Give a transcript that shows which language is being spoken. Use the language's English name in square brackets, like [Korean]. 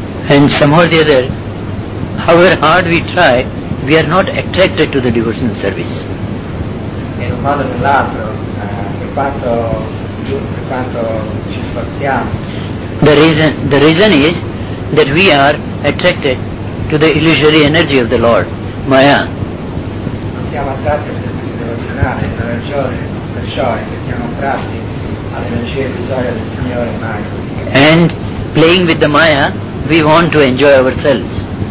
[English] And somehow or the other, however hard we try, we are not attracted to the devotional service. The reason is that we are attracted to the illusory energy of the Lord, maya. [Italian] Non siamo attratti al servizio devozionale, la ragione per ciò è che siamo attratti alle energie illusorie del Signore Maya. [English] And playing with the maya, we want to enjoy ourselves.